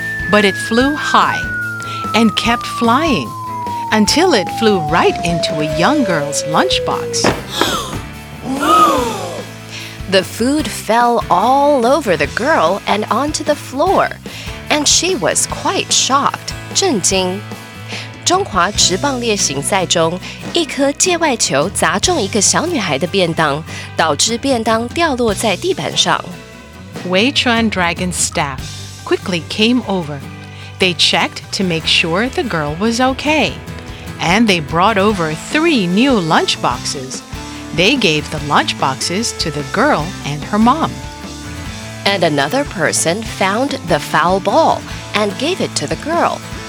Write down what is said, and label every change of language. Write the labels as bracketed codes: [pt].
[en] But it flew high and kept flying until it flew right into a young girl's lunchbox. The food fell all over the girl and onto the floor. And she was quite shocked, 震惊。 [zh] 中华职棒例行赛中，一颗界外球砸中一个小女孩的便当，导致便当掉落在地板上。 [en] WeiChuan Dragons staff quickly came over. They checked to make sure the girl was okay. And they brought over three new lunchboxes. They gave the lunchboxes to the girl and her mom. And another person found the foul ball and gave it to the girl.